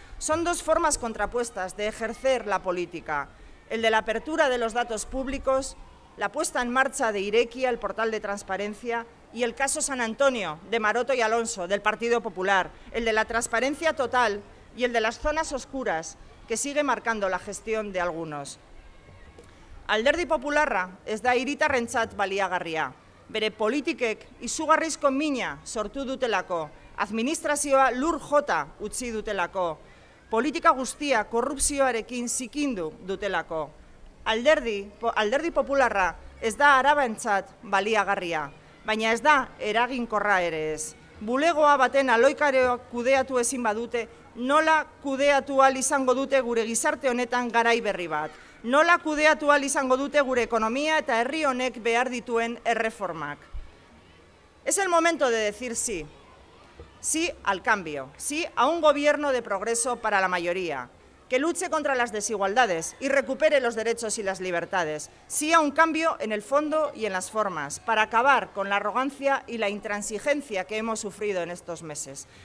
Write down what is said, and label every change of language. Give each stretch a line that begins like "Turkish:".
Spanish: Son dos formas contrapuestas de ejercer la política, el de la apertura de los datos públicos, la puesta en marcha de Irekia, el portal de transparencia, y el caso San Antonio, de Maroto y Alonso, del Partido Popular, el de la transparencia total y el de las zonas oscuras, que sigue marcando la gestión de algunos.
Basque: Alderdi Popularra es da hiritarrentzat baliagarria. Bere politikek izugarrizko mina sortu dutelako, administrazioa lur jota utzi dutelako, politika guztia korrupzioarekin zikindu dutelako. Alderdi Popularra ez da arabentzat baliagarria, baina ez da eraginkorra ere ez. Bulegoa baten aloikareo kudeatu ezin badute, nola kudeatu ahal izango dute gure gizarte honetan garai berri bat? Nola kudeatu ahal izango dute gure ekonomia eta herri honek behar dituen erreformak?
Spanish: Es el momento de decir sí. Sí al cambio, sí a un gobierno de progreso para la mayoría, que luche contra las desigualdades y recupere los derechos y las libertades. Sí a un cambio en el fondo y en las formas, para acabar con la arrogancia y la intransigencia que hemos sufrido en estos meses.